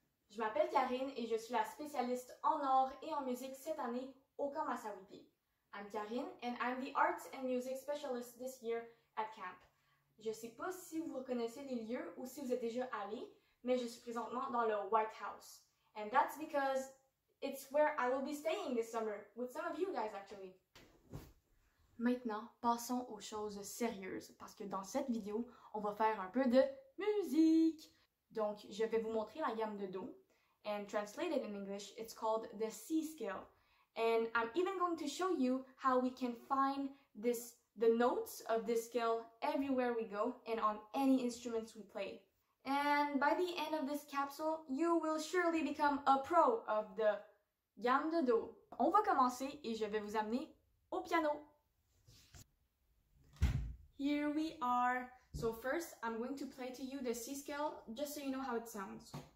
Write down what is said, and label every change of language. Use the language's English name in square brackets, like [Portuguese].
[French] Je m'appelle Karine et je suis la spécialiste en art et en musique cette année au camp Massawippi. [English] I'm Karine and I'm the arts and music specialist this year at camp. [French] Je ne sais pas si vous reconnaissez les lieux ou si vous êtes déjà allé, mais je suis présentement dans le White House. [English] And that's because it's where I will be staying this summer with some of you guys actually. [French] Maintenant, passons aux choses sérieuses, parce que dans cette vidéo, on va faire un peu de musique! Donc, je vais vous montrer la gamme de Do, [English] and translated in English, it's called the C scale. And I'm even going to show you how we can find the notes of this scale everywhere we go and on any instruments we play. And by the end of this capsule, you will surely become a pro of the [French] gamme de Do. On va commencer et je vais vous amener au piano! [English] Here we are. So first, I'm going to play to you the C scale, just so you know how it sounds.